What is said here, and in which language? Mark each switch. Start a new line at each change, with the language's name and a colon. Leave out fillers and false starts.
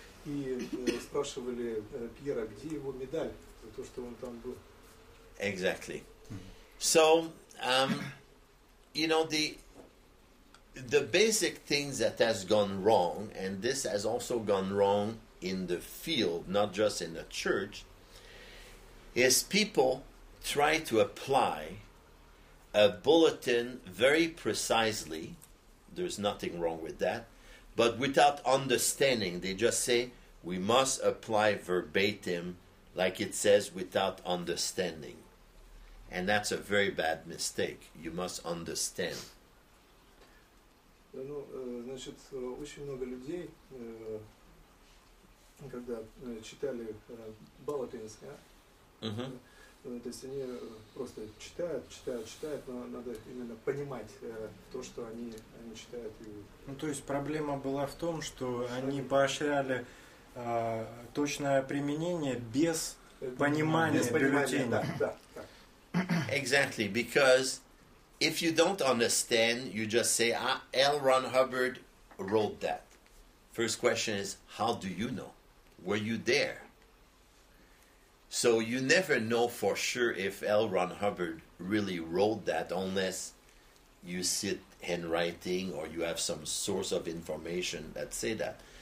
Russian: И спрашивали Пьера, где его медаль за то, что он там был.
English: Exactly. So, you know, the basic things that has gone wrong, and this has also gone wrong in the field, not just in the church, is people try to apply a bulletin very precisely. There's nothing wrong with that, but without understanding, they just say we must apply verbatim, like it says, without understanding. And that's a very bad mistake. You must understand.
Russian: Ну, значит, очень много людей, когда читали Балатинский, то есть они просто читают, но надо именно понимать то, что они читают. И... Ну, то есть проблема была в том, что они поощряли точное применение без понимания бюллетеня.
English: Exactly, because if you don't understand, you just say, L. Ron Hubbard wrote that. First question is, how do you know? Were you there? So you never know for sure if L. Ron Hubbard really wrote that unless you sit handwriting or you have some source of information that say that.